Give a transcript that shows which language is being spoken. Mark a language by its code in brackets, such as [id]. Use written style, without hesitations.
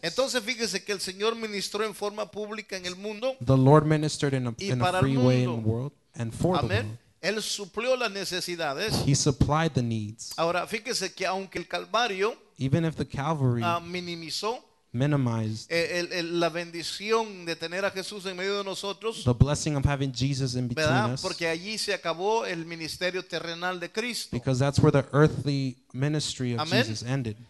[es] Entonces fíjese que el Señor ministró en forma pública en el mundo. [en] The Lord ministered in a free way in the world. And for [es] amen. [en] The world. [es] Él suplió las necesidades. [en] He supplied the needs. [es] Ahora, fíjese que aunque el Calvario [en] even if the Calvary [es] minimizó [en] minimized. [es] La bendición de tener a Jesús en medio de nosotros. [en] The blessing of having Jesus in between us. [es] Porque allí se acabó el ministerio terrenal de Cristo. [en] Because that's where the earthly ministry of Jesus ended.